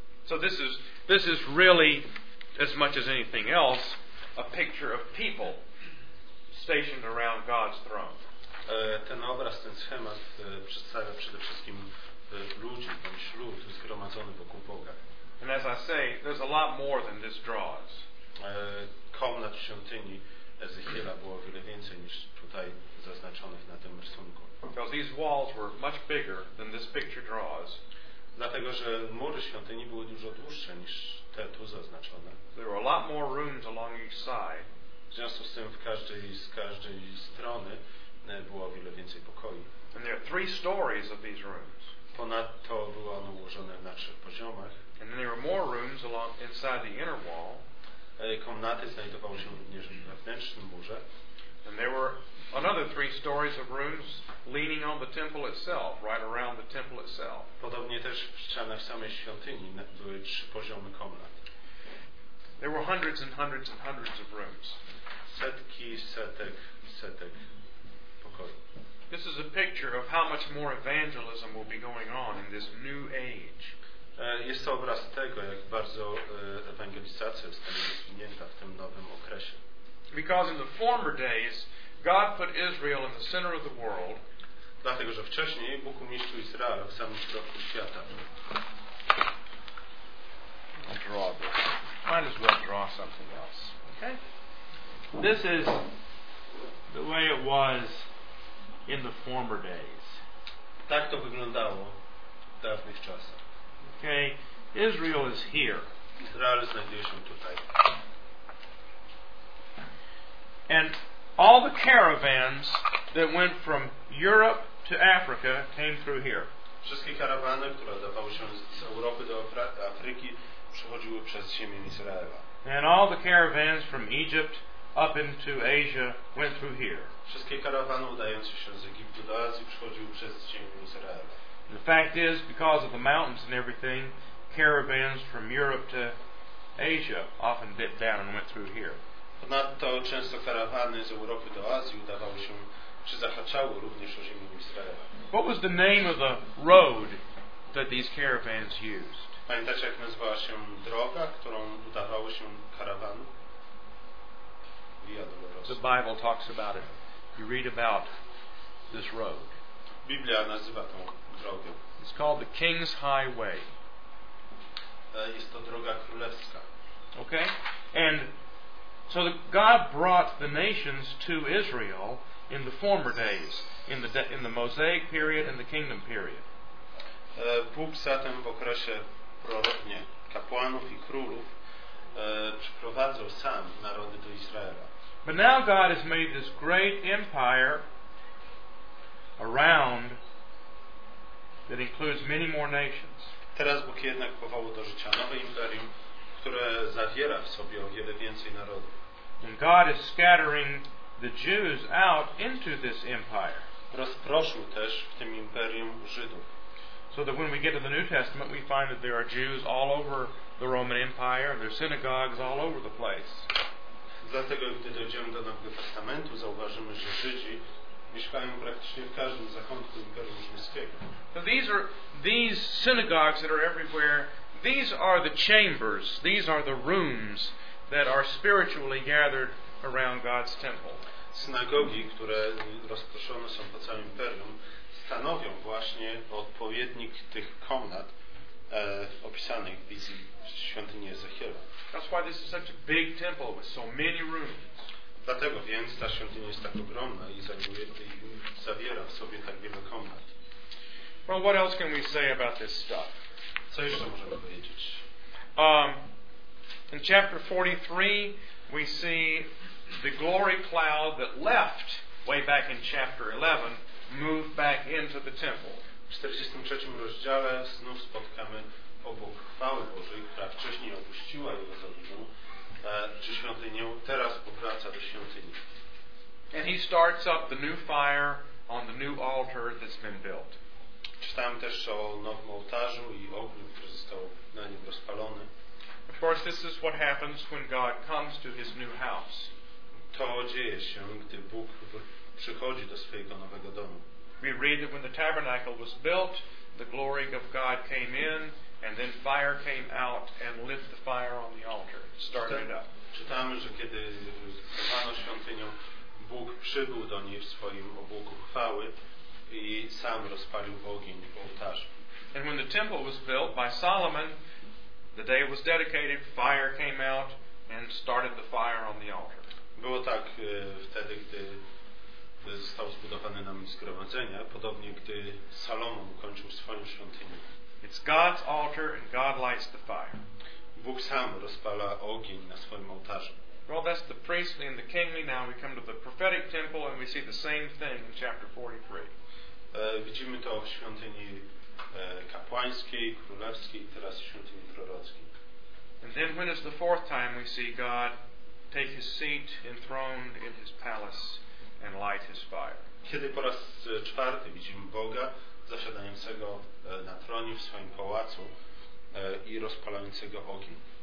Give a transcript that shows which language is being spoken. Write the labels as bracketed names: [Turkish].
[English] So this is really, as much as anything else, a picture of people stationed around God's throne. [Polish] Ten obraz, ten schemat przedstawia przede wszystkim ludzi, bądź lud zgromadzony wokół Boga. [English] And as I say, there's a lot more than this draws. [Polish] Komnat w świątyni Ezechiela było wiele więcej niż tutaj zaznaczonych na tym rysunku. [English] Because these walls were much bigger than this picture draws. [Polish] Dlatego, że mury świątyni były dużo dłuższe niż te tu zaznaczone. [English] There were a lot more rooms along each side. [Polish] W związku z tym z każdej strony było wiele więcej pokoi. [English] And there are three stories of these rooms. [Polish] Ponadto były one ułożone na trzech poziomach. [English] And there were more rooms along inside the inner wall. [Polish] Komnaty znajdowały się również w wewnętrznym murze. [English] And there were another three stories of rooms leaning on the temple itself, right around the temple itself. [Polish] Podobnie też w ścianach samej świątyni były trzy poziomy komnat. [English] There were hundreds and hundreds and hundreds of rooms. [Polish] Setki, setek, setek pokoi. [English] This is a picture of how much more evangelism will be going on in this new age. [Polish] Jest to obraz tego, jak bardzo ewangelizacja zostanie rozwinięta w tym nowym okresie. [English] Because in the former days, God put Israel in the center of the world. [Polish] Dlatego, że wcześniej Bóg umieścił Izrael w samym środku świata. [English] I'll draw this. Might as well draw something else. Okay? This is the way it was in the former days. [Polish] Tak to wyglądało w dawnych czasach. [English] Okay, Israel is here. [Polish] Izrael znajduje się tutaj. [English] And all the caravans that went from Europe to Africa came through here. [Polish] Wszystkie karawany, które dawały się z Europy do Afryki, przechodziły przez ziemię Izraela. [English] And all the caravans from Egypt up into Asia went through here. [Polish] Wszystkie karawany udające się z Egiptu do Azji przechodziły przez ziemię Izraela. [English] The fact is, because of the mountains and everything, caravans from Europe to Asia often dipped down and went through here. [Polish] Ponadto często karawany z Europy do Azji udawały się, czy zahaczały również o ziemię Izraela. [English] What was the name of the road that these caravans used? [Polish] Pamiętacie, jak nazywała się droga, którą udawały się karawany? [English] Via Dolorosa. The Bible talks about it. You read about this road. [Polish] Biblia nazywa tą drogę. [English] It's called the King's Highway. [Polish] Jest to droga królewska. [English] Okay? And so God brought the nations to Israel in the former days, in the Mosaic period and the Kingdom period. [Polish] Bóg zatem w okresie kapłanów i królów przyprowadzał sam narody do Izraela. [English] But now God has made this great empire around that includes many more nations. [Polish] Teraz Bóg jednak powołał do życia nowe imperium, które zawiera w sobie o wiele więcej narodów. [English] And God is scattering the Jews out into this empire. [Polish] Rozproszył też w tym imperium Żydów. [English] So that when we get to the New Testament, we find that there are Jews all over the Roman Empire, and there are synagogues all over the place. [Polish] Dlatego, gdy dojdziemy do Nowego Testamentu, zauważymy, że Żydzi mieszkają praktycznie w każdym zakątku Imperium Rzymskiego. [English] So these synagogues that are everywhere, these are the chambers, these are the rooms that are spiritually gathered around God's temple. [Polish] Synagogi, które rozproszone są po całym imperium, stanowią właśnie odpowiednik tych komnat opisanych w wizji świątyni Ezechiela. [English] That's why this is such a big temple with so many rooms. [Polish] Dlatego więc ta świątynia jest tak ogromna i zawiera w sobie tak wiele komnat. [English] Well, what else can we say about this stuff? [Polish] Co jeszcze możemy powiedzieć? [English] In chapter 43 we see the glory cloud that left way back in chapter 11 move back into the temple. [Polish] W 43 rozdziale znów spotkamy obok chwały Bożej, która wcześniej opuściła Jerozolimę, czy świątynię, teraz powraca do świątyni. [English] And he starts up the new fire on the new altar that's been built. [Polish] Czytam też o nowym ołtarzu i ogniu, który został na nim rozpalony. [English] Of course, this is what happens when God comes to his new house. [Polish] To dzieje się, gdy Bóg przychodzi do swojego nowego domu. [English] We read that when the tabernacle was built, the glory of God came in, and then fire came out and lit the fire on the altar, started it up. [Polish] Czytamy, że kiedy zbudowano świątynię, Bóg przybył do niej w swoim obłoku chwały i sam rozpalił ogień w ołtarzu. [English] And when the temple was built by Solomon, the day it was dedicated, fire came out and started the fire on the altar. [Polish] Było tak wtedy, gdy został zbudowany nam zgromadzenia, podobnie gdy Salomon ukończył swoją świątynię. [English] It's God's altar and God lights the fire. [Polish] Bóg sam rozpala ogień na swoim ołtarzu. [English] Well, that's the priestly and the kingly. Now we come to the prophetic temple and we see the same thing in chapter 43. [Polish] Widzimy to w świątyni kapłańskiej, królewskiej, teraz w świątyni prorockiej. [English] And then when it's the fourth time we see God take his seat enthroned in his palace and light his fire. [Polish] Kiedy po raz czwarty widzimy Boga zasiadającego na tronie w swoim pałacu i rozpalającego ogień.